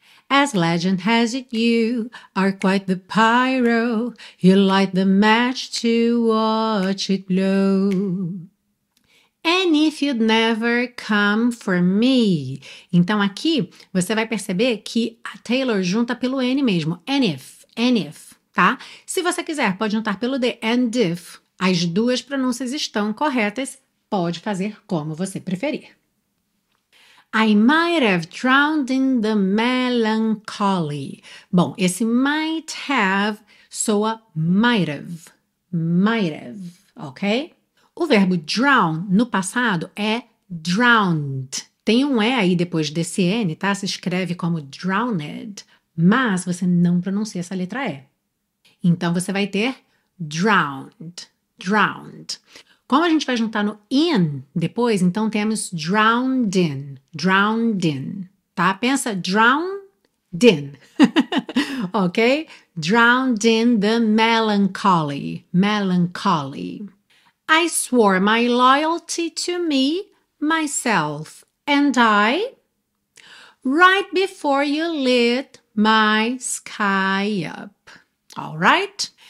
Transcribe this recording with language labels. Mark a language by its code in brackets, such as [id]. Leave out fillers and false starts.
[en] As legend has it, you are quite the pyro. You light the match to watch it blow. And if you'd never come for me. [pt] Então aqui você vai perceber que a Taylor junta pelo N mesmo. [en] And if. [pt] Tá? Se você quiser, pode juntar pelo D, and if. As duas pronúncias estão corretas, pode fazer como você preferir. [en] I might have drowned in the melancholy. [pt] Bom, esse [en] might have [pt] soa might have. [en] Might have, ok? [pt] O verbo drown no passado é drowned. Tem um E aí depois desse N, tá? Se escreve como drowned, mas você não pronuncia essa letra E. Então, você vai ter drowned, drowned. Como a gente vai juntar no in depois, então temos [en] drowned in, [pt] tá? Pensa drowned in, ok? [en] drowned in the melancholy, melancholy. I swore my loyalty to me, myself, and I, right before you lit my sky up. All right?